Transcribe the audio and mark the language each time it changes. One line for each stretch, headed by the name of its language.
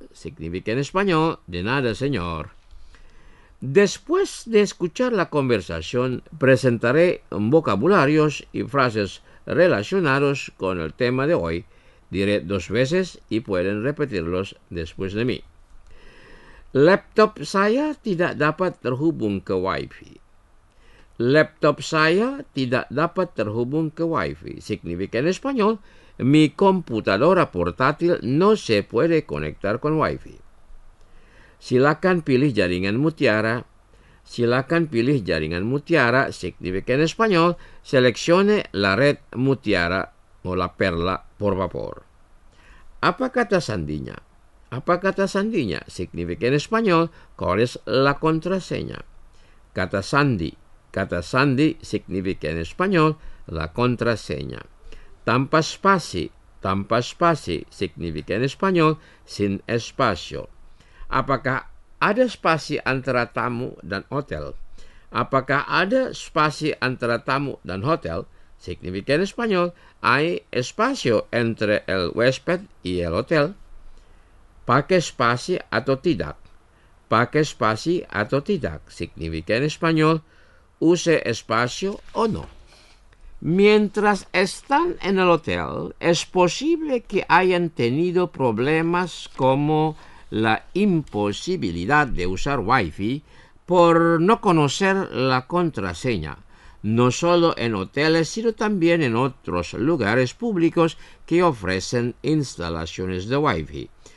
Spanish: Significa en español. De nada, señor. Después de escuchar la conversación, presentaré vocabularios y frases relacionados con el tema de hoy. Diré dos veces y pueden repetirlos después de mí.
Indonesian: Laptop saya tidak dapat terhubung ke Wi-Fi. Laptop saya tidak dapat terhubung ke Wi-Fi.
Spanish: Significa en español, mi computadora portátil no se puede conectar con Wi-Fi.
Indonesian: Silakan pilih jaringan Mutiara. Silakan pilih jaringan Mutiara.
Spanish: Significa en español, seleccione la red Mutiara o la Perla, por favor.
Indonesian: Apa kata sandinya? Apa kata sandinya?
Spanish: Significa en español, ¿cuál es la contraseña?
Indonesian: Kata sandi.
Spanish: Kata sandi significa en español, la contraseña.
Indonesian: Tanpa spasi. Tanpa spasi
Spanish: significa en español, sin espacio.
Indonesian: Apakah ada spasi antara tamu dan hotel? Apakah ada spasi antara tamu dan hotel?
Spanish: Significa en español, hay espacio entre el huésped y el hotel.
Indonesian: Pake spasi atau tidak? Pake spasi atau tidak?
Spanish: Significa en español, use espacio o no. Mientras están en el hotel, es posible que hayan tenido problemas como la imposibilidad de usar Wi-Fi por no conocer la contraseña, no solo en hoteles, sino también en otros lugares públicos que ofrecen instalaciones de Wi-Fi.